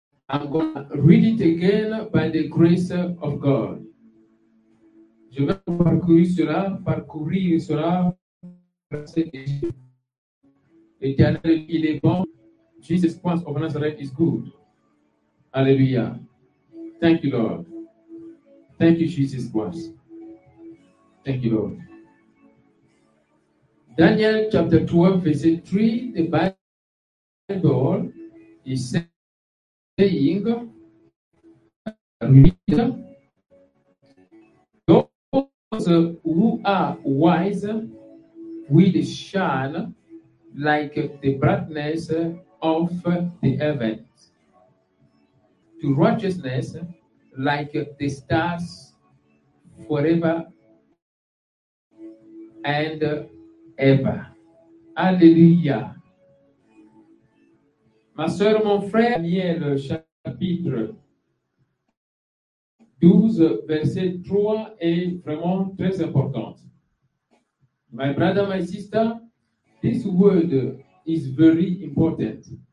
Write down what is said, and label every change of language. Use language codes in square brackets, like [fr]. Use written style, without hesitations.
[en] I'm going to read it again by the grace of God. [fr] Je vais parcourir cela, l'Éternel, il est bon. [en] Jesus Christ of Nazareth is good. Alléluia. Thank you, Lord. Thank you, Jesus Christ. Thank you, Lord. Daniel chapter 12, verse 3, the Bible is saying, those who are wise will shine like the brightness of the heavens, to righteousness like the stars forever and ever. Alléluia. [fr] Ma soeur, mon frère, Daniel, chapitre 12, verset 3 est vraiment très important. [en] My brother, my sister, this word is very important.